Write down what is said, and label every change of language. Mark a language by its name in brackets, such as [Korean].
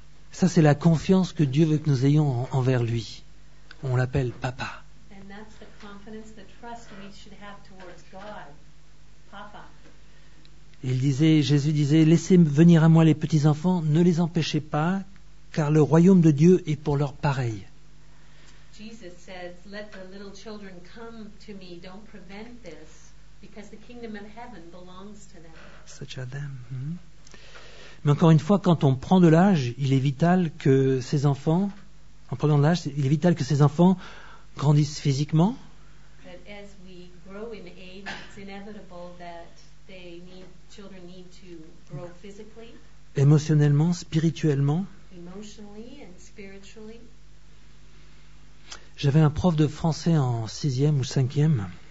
[French] Ça, c'est la confiance que Dieu veut que nous ayons envers lui. On l'appelle papa. [English] And that's the confidence, the trust we should have towards God. [French] Papa. Jésus disait, laissez venir à moi les petits enfants, ne les empêchez pas, car le royaume de Dieu est pour leur pareil. [English] Jesus says, let the little children come to me, don't prevent this. Because the kingdom of heaven belongs to them. Such are them. Mm-hmm. [French] Mais encore une fois, quand on prend de l'âge, il est vital que ses enfants, en prenant de l'âge, il est vital que ses enfants grandissent physiquement. [English] But as we grow in age, it's inevitable that they need, children need to grow physically. [French] Émotionnellement, spirituellement. [English] Emotionally and spiritually. [French] J'avais un prof de français en 6e ou 5e.